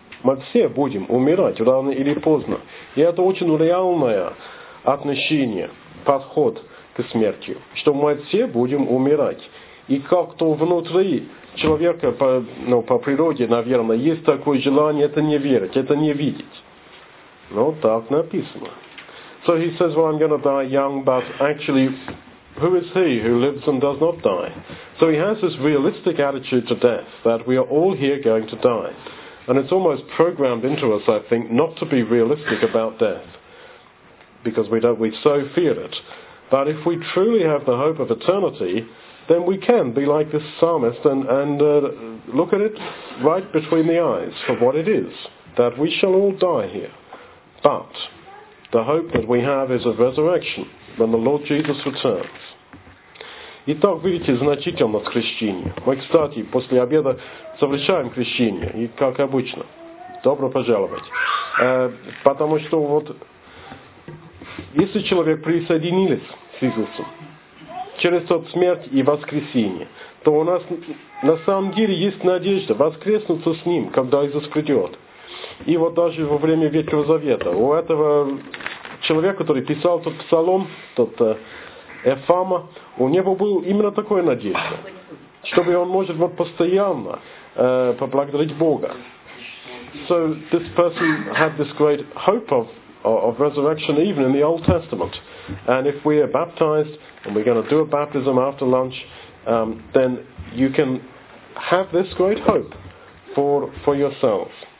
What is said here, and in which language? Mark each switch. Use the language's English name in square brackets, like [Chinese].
[Russian] Мы все будем умирать, рано или поздно. И это очень реальное отношение. подход к смерти, что мы все будем умирать. И как-то внутри человека по природе, наверное, есть такое желание это не верить, это не видеть. Но так написано. [English] So he says, well, I'm going to die young, but actually, who is he who lives and does not die? So he has this realistic attitude to death, that we are all here going to die. And it's almost programmed into us, I think, not to be realistic about death, because we so fear it. But if we truly have the hope of eternity, then we can be like this psalmist and look at it right between the eyes for what it is, that we shall all die here. But the hope that we have is a resurrection when the Lord Jesus returns. [Russian] Итак, видите, значительность крещения. Мы, кстати, после обеда совершаем крещение, и как обычно. Добро пожаловать. Потому что вот, если человек присоединился с Иисусом через тот смерть и воскресение, то у нас на самом деле есть надежда воскреснуться с Ним, когда Иисус придет. И вот даже во время Ветхого Завета у этого человека, который писал тот псалом, тот Эфама, у него был именно такой надежда, чтобы он может вот постоянно поблагодарить Бога. [English] So this person had this great hope of resurrection even in the Old Testament. And if we are baptized and we're going to do a baptism after lunch, then you can have this great hope for yourselves.